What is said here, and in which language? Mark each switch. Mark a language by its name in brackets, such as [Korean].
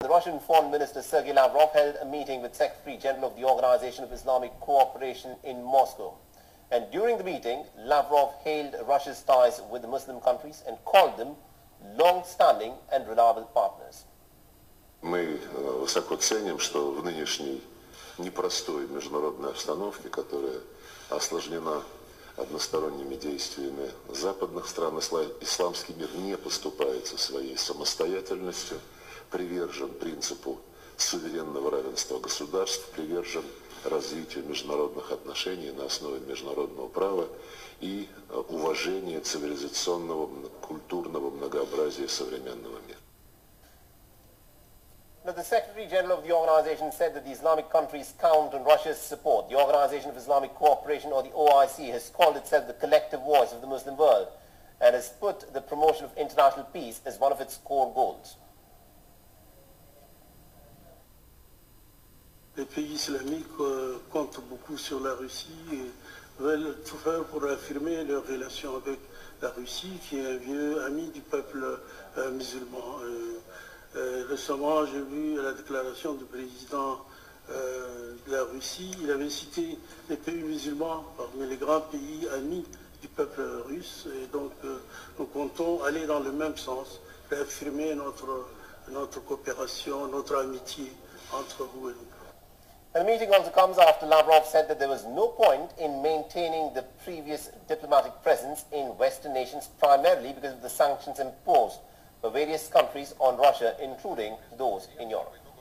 [English] Russian Foreign Minister Sergei Lavrov held a meeting with Secretary General of the Organization of Islamic Cooperation in Moscow. And during the meeting, Lavrov hailed Russia's ties with the Muslim countries and called them long-standing and reliable partners. [Russian] Мы высоко ценим, что в нынешней непростой международной обстановке, которая осложнена односторонними действиями западных стран, исламский мир не поступается своей самостоятельностью, привержен принципу суверенного равенства государств, привержен развитию международных отношений на основе международного права и уважения цивилизационного культурного многообразия современного мира. [English] Now, the Secretary General of the organization said that the Islamic countries count on Russia's support. The Organization of Islamic Cooperation, or the OIC, has called itself the collective voice of the Muslim world and has put the promotion of international peace as one of its core goals. The Islamic countries count a lot on Russia and want to do to affirm their relations with Russia, which is an old friend of the Muslim people. [French] Récemment, j'ai vu la déclaration du président de la Russie. Il avait cité les pays musulmans parmi les grands pays amis du peuple russe. Et donc, nous comptons aller dans le même sens, réaffirmer notre coopération, notre amitié entre vous et nous. [English] And the meeting also comes after Lavrov said that there was no point in maintaining the previous diplomatic presence in Western nations, primarily because of the sanctions imposed by various countries on Russia, including those in Europe.